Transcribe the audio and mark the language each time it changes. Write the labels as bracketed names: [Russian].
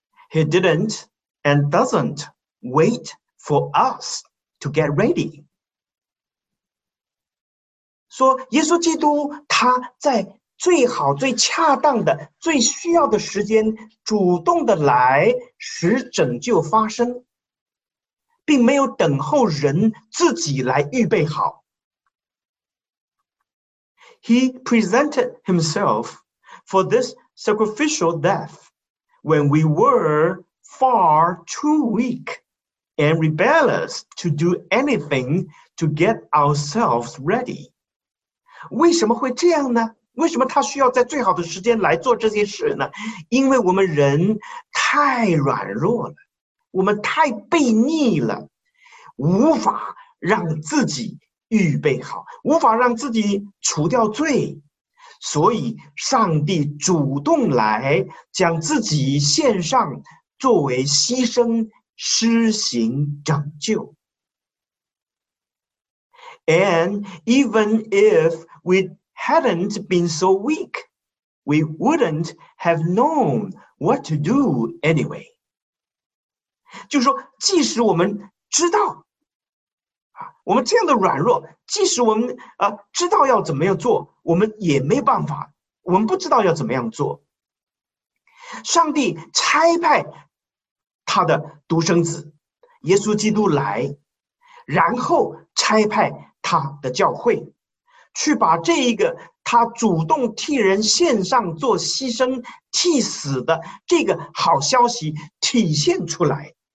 [English] He didn't and doesn't wait for us to get ready. [Chinese] 说耶稣基督他在最好最恰当的最需要的时间主动的来使拯救发生，并没有等候人自己来预备好。 [English] He presented himself for this sacrificial death when we were far too weak and rebellious to do anything to get ourselves ready. [Chinese] 为什么会这样呢？为什么他需要在最好的时间来做这些事呢？因为我们人太软弱了，我们太悖逆了，无法让自己预备好，无法让自己除掉罪，所以上帝主动来将自己献上，作为牺牲施行拯救。 [English] And even if we hadn't been so weak, we wouldn't have known what to do anyway. [Chinese] 就是说即使我们知道我们这样的软弱，即使我们知道要怎么样做，我们也没办法，我们不知道要怎么样做。上帝差派他的独生子耶稣基督来，然后差派他的教会去把这一个他主动替人献上做牺牲替死的这个好消息体现出来。